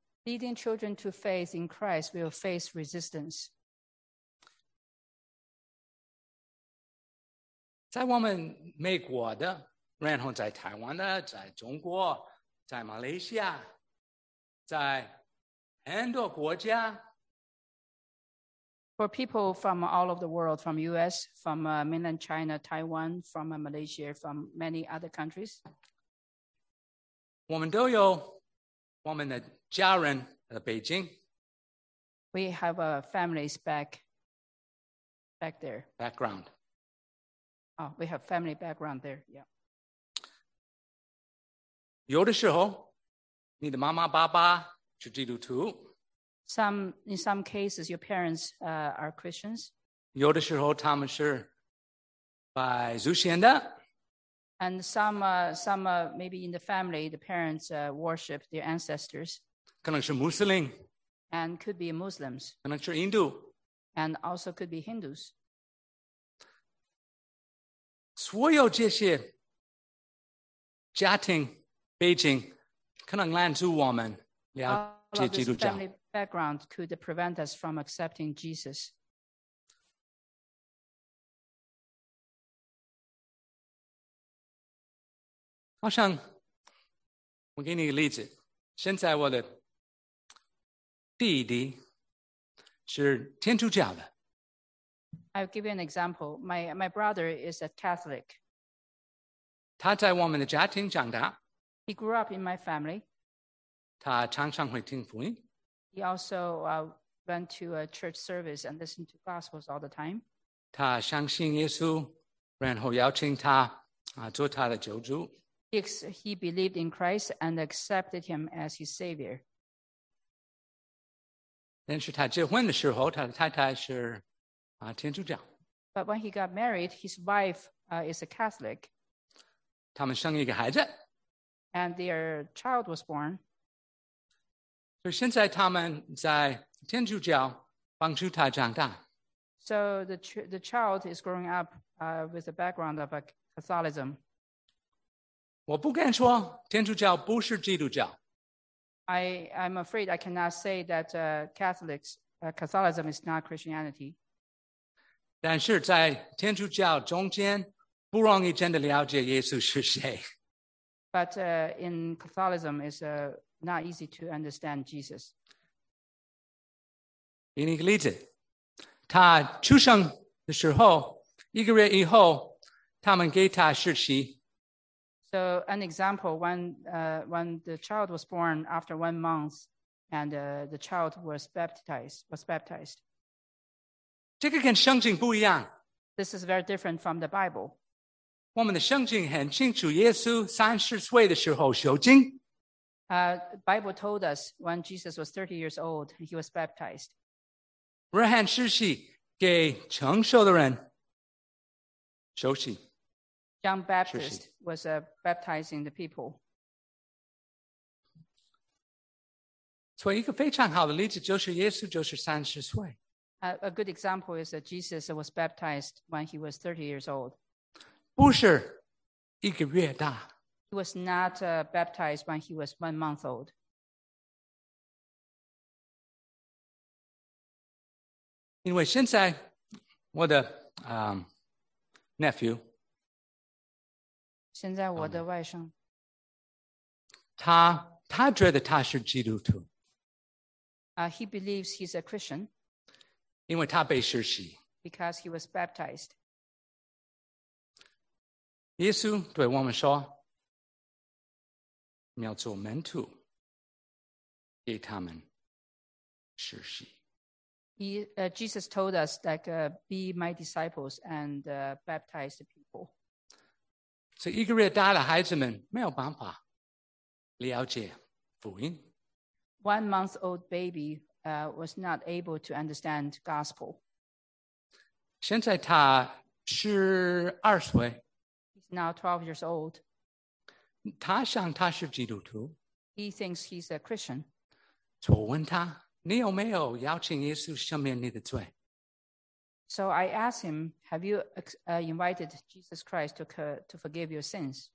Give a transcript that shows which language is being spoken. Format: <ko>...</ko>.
<en>Leading children to faith in Christ will face resistance.</en> <zh>在我们美国的，然后在台湾的，在中国，在马来西亚，在很多国家。</zh> <en>For people from all of the world, from US, from mainland China, Taiwan, from Malaysia, from many other countries.</en> <zh>我们都有我们的家人在北京。</zh> <en>We have a families back there. Background. Oh, we have family background there, yeah.</en> <zh>有的时候，你的妈妈爸爸是基督徒。</zh> <en>In some cases, your parents are Christians.</en> <zh>有的时候他们是拜祖先的。</zh> <en>And some maybe in the family, the parents worship their ancestors.</en> <zh>可能是穆斯林。</zh> <en>And could be Muslims.</en> <zh>可能是印度。</zh> <en>And also could be Hindus.</en> <zh>所有这些家庭背景可能拦住我们了解基督教。</zh> <en>Background could prevent us from accepting Jesus.</en> <zh>好像我给你一个例子，现在我的弟弟是天主教的。</zh> <en>I'll give you an example. My brother is a Catholic.</en> <zh>他在我们的家庭长大。</zh> <en>He grew up in my family.</en> <zh>他常常会听福音。</zh> <en>He also went to a church service and listened to gospels all the time.</en> <zh>他相信耶稣，然后邀请他做他的救主。</zh> <en>He believed in Christ and accepted him as his savior.</en> <zh>但是他结婚的时候，他的太太是天主教。</zh> <en>But when he got married, his wife is a Catholic.</en> <zh>他们生一个孩子。</zh> <en>And their child was born.</en> <zh>所以现在他们在天主教帮助他长大。</zh> <en>So the child is growing up with a background of Catholicism.</en> <zh>我不敢说天主教不是基督教。</zh> <en>I'm afraid I cannot say that Catholicism is not Christianity.</en> <zh>但是在天主教中间不容易真的了解耶稣是谁。</zh> <en>But in Catholicism is a... Not easy to understand Jesus.</en> <zh>给你一个例子，他出生的时候，一个月以后，他们给他实习。</zh> <en>So an example, when the child was born after 1 month, and the child was baptized.</en> <zh>这个跟圣经不一样。</zh> <en>This is very different from the Bible.</en> <zh>我们的圣经很清楚，耶稣30岁的时候受浸。</zh> <en>Bible told us when Jesus was 30 years old, he was baptized.</en> <zh>约翰施洗给成熟的人受洗。</zh> <en>John Baptist was baptizing the people.</en> <zh>所以一个非常好的例子就是耶稣就是30岁。</zh> <en>A good example is that Jesus was baptized when he was 30 years old.</en> <zh>不是一个月大。</zh> <en>He was not baptized when he was 1 month old.</en> <zh>因为现在我的nephew, 现在我的外甥，他觉得他是基督徒。</zh> <en>He believes he's a Christian.</en> <zh>因为他被施洗。</zh> <en>Because he was baptized.</en> <zh>耶稣对我们说，你要做门徒，给他们施洗。</zh> <en>Jesus told us that be my disciples and baptize the people.</en> <zh>所以一个月大的孩子们没有办法了解福音。</zh> <en>1-month-old baby was not able to understand gospel.</en> <zh>现在他是二岁。</zh> <en>He's now 12 years old.</en> <zh>他想他是基督徒。</zh> <en>He thinks he's a Christian.</en> <zh>所以我问他，你有没有邀请耶稣赦免你的罪？</zh> <en>So I asked him, have you invited Jesus Christ to forgive your sins?</en>